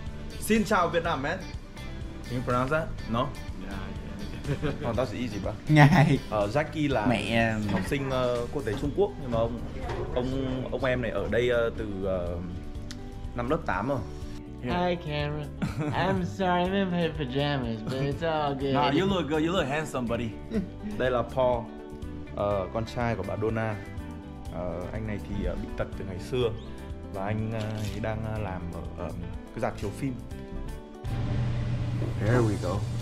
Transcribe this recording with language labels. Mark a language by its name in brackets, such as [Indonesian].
[Vietnamese] Xin chào Việt Nam [English] man. Can you pronounce that? No? Yeah. Oh, that's easy, bro. [Vietnamese] Ngài. Jackie là mẹ học sinh quốc tế Trung Quốc nhưng mà ông em này ở đây từ năm lớp 8 rồi. [English] Yeah. Hi, Cameron. I'm sorry, I'm in my pajamas, but it's all good. Nah, you look good. You look handsome, buddy. [Vietnamese] Đây là Paul, con trai của bà Donna. Anh này thì bị tật từ ngày xưa và anh ấy đang làm ở cái rạp chiếu phim. [English] There we go.